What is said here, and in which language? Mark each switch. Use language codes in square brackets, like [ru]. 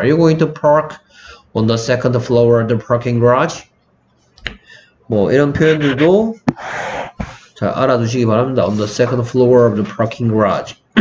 [en] Are you going to park on the second floor of the parking garage? [ko] 뭐 이런 표현들도 잘 알아두시기 바랍니다. [en] On the second floor of the parking garage.